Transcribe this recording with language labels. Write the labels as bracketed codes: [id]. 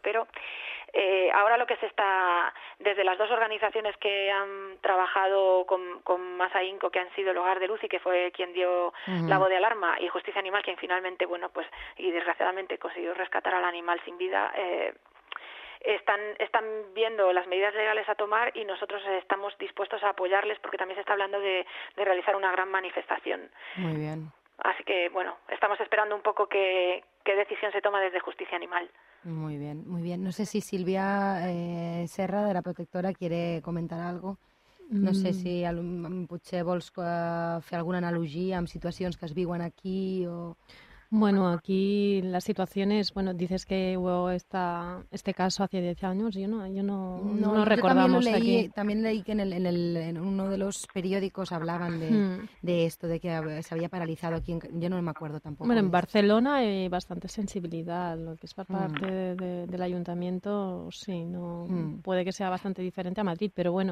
[es] Pero ahora lo que se está, desde las dos organizaciones que han trabajado con más ahínco, que han sido el Hogar de Luz y que fue quien dio la voz de alarma, y Justicia Animal, quien finalmente, bueno, pues, y desgraciadamente consiguió rescatar al animal sin vida, están viendo las medidas legales a tomar, y nosotros estamos dispuestos a apoyarles porque también se está hablando de realizar una gran manifestación. Muy bien. Así que, bueno, estamos esperando un poco qué decisión se toma desde Justicia Animal. Muy bien, muy bien. No sé si Silvia Serra, de la protectora, quiere comentar algo. [ca] No sé si potser vols fer alguna analogia amb situacions que es viuen aquí o... [es] Bueno, aquí la situación es, bueno, dices que hubo este caso hace 10 años, yo no recordamos también aquí. También leí que en uno de los periódicos hablaban de esto, de que se había paralizado aquí, yo no me acuerdo tampoco. Bueno, en Barcelona hay bastante sensibilidad, lo que es por parte del ayuntamiento, sí, no puede que sea bastante diferente a Madrid, pero bueno.